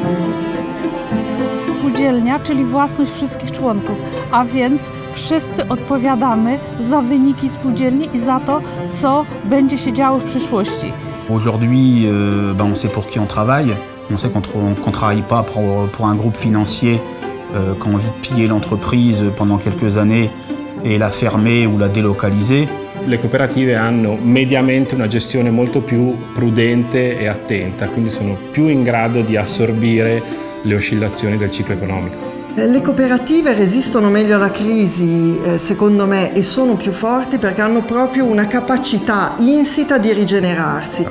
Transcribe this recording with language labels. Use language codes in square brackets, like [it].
[pl] zadania, czyli własność wszystkich członków, a więc wszyscy odpowiadamy za wyniki spółdzielni i za to, co będzie się działo w przyszłości. [fr] Aujourd'hui, on sait pour qui on travaille. On sait qu'on travaille pas pour un groupe financier qui a envie de piller l'entreprise pendant quelques années et la fermer ou la délocaliser. [it] Le cooperative hanno mediamente una gestione molto più prudente e attenta, quindi sono più in grado di assorbire le oscillazioni del ciclo economico. Le cooperative resistono meglio alla crisi, secondo me, e sono più forti perché hanno proprio una capacità insita di rigenerarsi.